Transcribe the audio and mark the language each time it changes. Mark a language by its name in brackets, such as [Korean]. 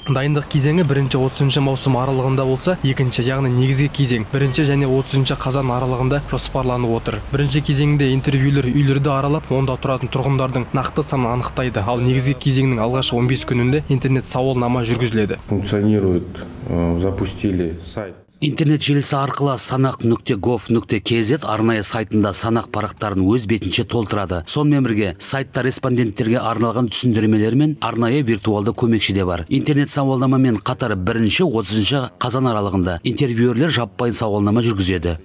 [Kazakh] Дайындық кезеңі 1-30 маусым аралығында болса, 2-ші, яғни негізгі кезең 1-ші және 30 қазан аралығында жоспарланып отыр. 1-ші кезеңде интервьюлер үйлерді аралап, онда тұратын тұрғындардың нақты санын анықтайды. Ал негізгі кезеңнің алғашқы 15 күнінде интернет-сауалнама жүргізіледі. [Russian] Функционирует, запустили сайт. [Kazakh] Интернет желісі арқылы sanak.gov.kz арнайы сайтында санақ парақтарын өз бетінше толтырады. Сонымен бірге сайтта респонденттерге арналған түсіндірмелер мен арнайы виртуалды көмекші де бар. Интернет сауалнамамен қатар 1-30 қазан аралығында интервьюерлер жаппай сауалнама жүргізеді.